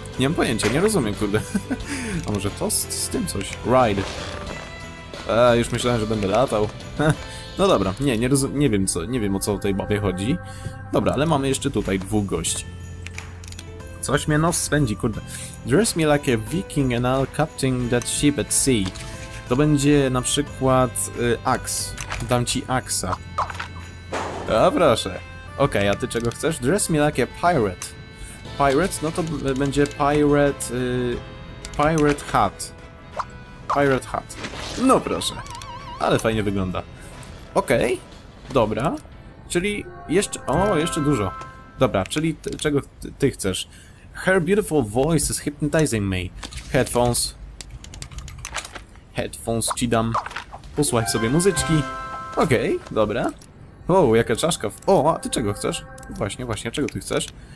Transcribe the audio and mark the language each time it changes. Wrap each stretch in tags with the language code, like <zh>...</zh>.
<pl>Nie mam pojęcia, nie rozumiem, kurde. A może to z tym coś? Ride. Już myślałem, że będę latał. No dobra, nie wiem o co tej babie chodzi. Dobra, ale mamy jeszcze tutaj dwóch gości. Coś mnie nos spędzi, kurde.</pl> <en>Dress me like a Viking and I'll captain that ship at sea.</en> <pl>To będzie na przykład axe. Dam ci axa. A proszę. Okej, a ty czego chcesz?</pl> <en>Dress me like a pirate.</en> <pl>Pirate? No to będzie pirate... pirate hat. Pirate hat. No proszę. Ale fajnie wygląda. Okej, dobra. Czyli jeszcze... jeszcze dużo. Dobra, czyli czego ty chcesz?</pl> <en>Her beautiful voice is hypnotizing me.</en> <pl>Headphones. Headphones ci dam. Posłuchaj sobie muzyczki. Okej, dobra. Wow, jaka czaszka. A ty czego chcesz? Właśnie, czego ty chcesz?</pl>